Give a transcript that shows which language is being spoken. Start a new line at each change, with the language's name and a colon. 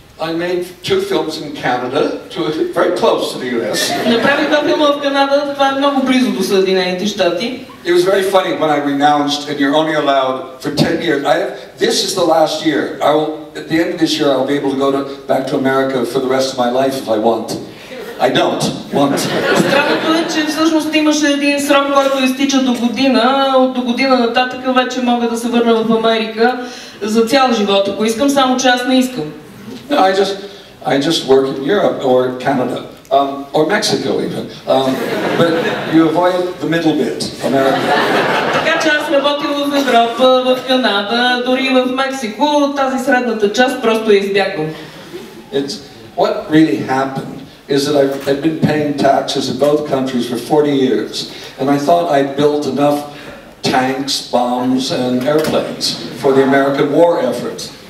English: I made two films in Canada, very close to the US.
Bulgarian: Направи два филма в Канада, това е много близо до Съединените щати.
English: It was very funny when I renounced and you're only allowed for 10 years. This is the last year. I will, at the end of this year, I'll be able to go back to America for the rest of my life if I want. I don't want.
Bulgarian: Странното е, че всъщност имаше един срок, който изтича до година. От до година нататък вече мога да се върна в Америка за цял живот. Ако искам, само че аз не искам.
English: No, I just work in Europe or Canada. Or Mexico even. But you avoid the middle bit, America.
Bulgarian: Така че аз работил в Европа, в Канада, дори в Мексико, тази средната част просто я избягвам.
English: It's what really happened is that I've been paying taxes in both countries for 40 years and I thought I'd built enough tanks, bombs and airplanes for the American war effort.